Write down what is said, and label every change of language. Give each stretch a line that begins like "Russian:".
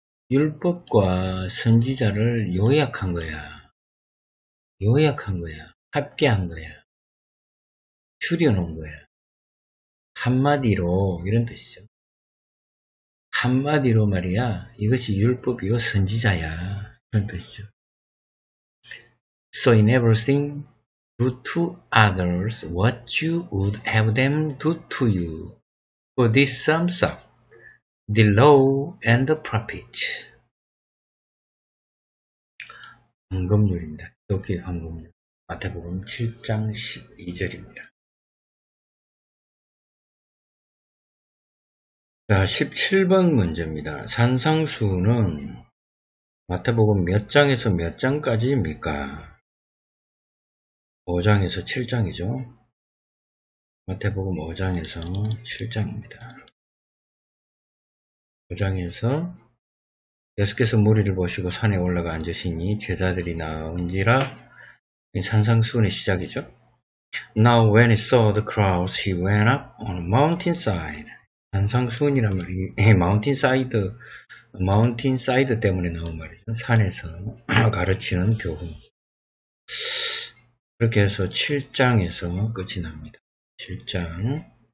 Korean: 율법과 선지자를 요약한 거야. 요약한 거야. 합계한 거야. 줄여놓은 거야. 한마디로, 이런 뜻이죠. 한마디로 말이야. 이것이 율법이요, 선지자야. 이런 뜻이죠.
English: So in everything, do to others what you would have them do to you. For this sums up the law and the prophets.
Korean: 황금률입니다. 기독교의 황금률. 마태복음 7장 12절입니다. 자, 17번 문제입니다. 산상수훈은 마태복음 몇 장에서 몇 장까지입니까? 5장에서 7장이죠. 마태복음 5장에서 7장입니다. 5장에서 예수께서 무리를 보시고 산에 올라가 앉으시니 제자들이 나온지라. 산상수훈의 시작이죠.
English: Now when he saw the crowds, he went up on a mountainside.
Korean: 산상수훈이란 말이 마운틴사이드 때문에 나온 말이죠. 산에서 가르치는 교훈. 그렇게 해서 7장에서 끝이 납니다. 7장.